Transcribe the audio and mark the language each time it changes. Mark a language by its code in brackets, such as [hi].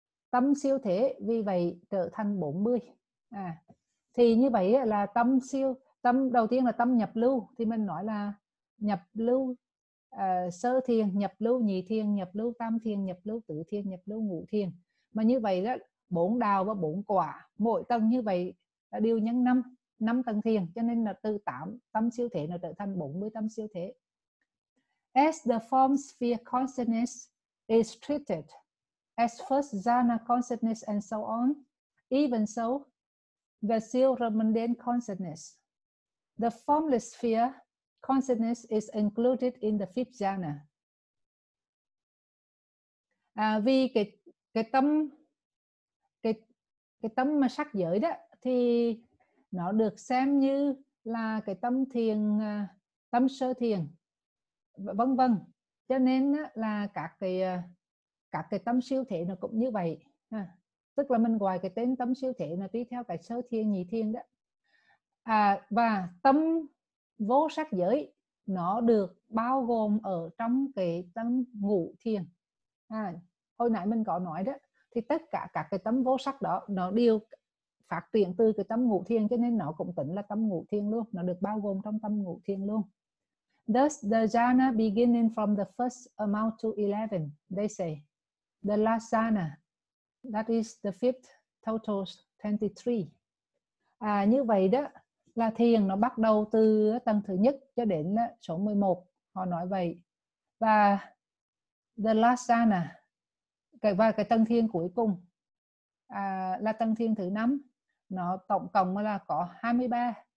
[vi] Tâm siêu thể vì vậy trở thành 40. Thì như vậy là tâm đầu tiên là tâm nhập lưu, thì mình nói là nhập lưu sơ thiền, nhập lưu nhị thiền, nhập lưu tam thiền, nhập lưu tứ thiền, nhập lưu ngũ thiền. Mà như vậy đó, bốn đào và bốn quả, mỗi tầng như vậy là đều nhân năm tầng thiền, cho nên là từ 8 tâm siêu thể nó trở thành 40 tâm siêu thể. [en] As the form sphere consciousness is treated as first jhana consciousness and so on, even so the silver mundane consciousness, the formless sphere consciousness is included in the fifth jhana. [vi] Vì cái tâm mà sắc giới đó thì nó được xem như là cái tâm thiền, tâm sơ thiền vân vân. Cho nên là các cái tâm siêu thể nó cũng như vậy. Tức là mình gọi cái tên tâm siêu thể là tùy theo cái sơ thiền, nhị thiền đó. Và tâm vô sắc giới nó được bao gồm ở trong cái tâm ngũ thiền. Hồi nãy mình có nói đó, thì tất cả các cái tâm vô sắc đó nó đều phát triển từ cái tâm ngũ thiền, cho nên nó cũng tính là tâm ngũ thiền luôn, nó được bao gồm trong tâm ngũ thiền luôn. [en] Thus the jhana beginning from the first amount to 11, they say the last jhana, that is the fifth, totals 23. [vi] Như vậy đó là thiền nó bắt đầu từ tầng thứ nhất cho đến số 11. Họ nói vậy. Và [en] the last jhana, [vi] cái tầng thiền cuối cùng là tầng thiền thứ 5. Nó tổng cộng là có 23.